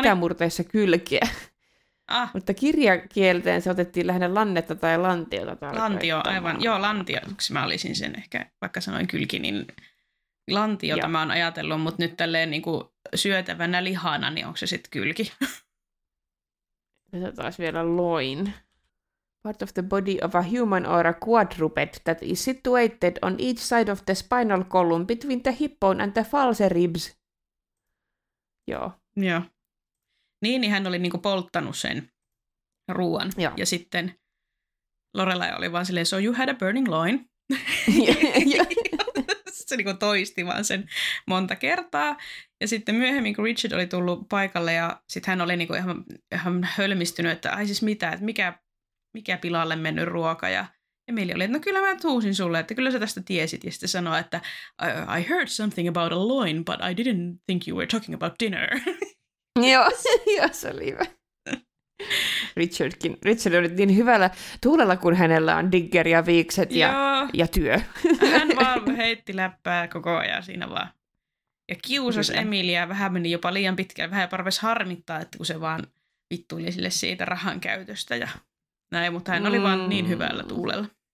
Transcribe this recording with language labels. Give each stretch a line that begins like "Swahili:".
Finnish: Itämurteessa kylkeä. Mutta kirjakielteen se otettiin lähinnä lannetta tai lantiota. Lantio, aivan. Joo, lantio. Mä olisin sen ehkä, vaikka sanoin kylki, niin lantiota mä oon ajatellut, mutta nyt tälleen niin kuin syötävänä lihana, niin onko se sitten kylki? Tätä taas vielä loin.
English: Part of the body of a human or a quadruped that is situated on each side of the spinal column between the hip bone and the false ribs.
Finnish: Joo. Joo. Niin hän oli niinku polttanut sen ruuan. Joo. Ja sitten Lorelai oli vaan silleen,
English: so you had a burning loin. Yeah, yeah.
Finnish: se niinku toisti vaan sen monta kertaa. Ja sitten myöhemmin, kun Richard oli tullut paikalle ja sitten hän oli niinku ihan hölmistynyt, että ai siis mitä, että mikä pilalle mennyt ruoka. Ja Emily oli, että no kyllä mä tuusin sulle, että kyllä sä tästä tiesit. Ja sitten sanoi, että
English: I heard something about a loin, but I didn't think you were talking about dinner.
Finnish: Joo, se oli hyvä. Richard oli niin hyvällä tuulella, kun hänellä on digger ja viikset ja työ. Hän vaan heitti läppää koko ajan siinä vaan. Ja kiusas Emiliä, vähän meni jopa liian pitkään, vähän jopa arvesi harmittaa, että kun se vaan vittuili sille siitä rahan käytöstä ja näin, mutta hän oli vaan niin hyvällä tuulella.